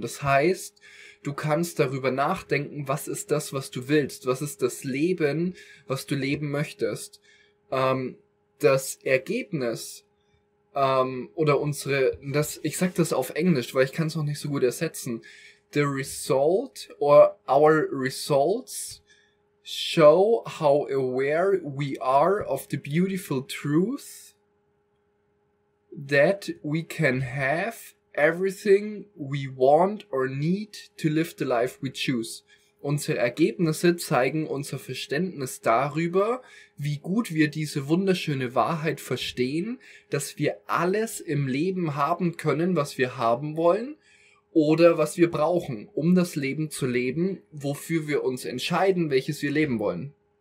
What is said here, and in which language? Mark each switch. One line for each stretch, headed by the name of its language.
German: Das heißt, du kannst darüber nachdenken, was ist das, was du willst? Was ist das Leben, was du leben möchtest? Das Ergebnis, ich sag das auf Englisch, weil ich kann es noch nicht so gut ersetzen.
English: The result or our results show how aware we are of the beautiful truth that we can have everything we want or need to live the life we choose.
German: Unsere Ergebnisse zeigen unser Verständnis darüber, wie gut wir diese wunderschöne Wahrheit verstehen, dass wir alles im Leben haben können, was wir haben wollen, oder was wir brauchen, um das Leben zu leben, wofür wir uns entscheiden, welches wir leben wollen.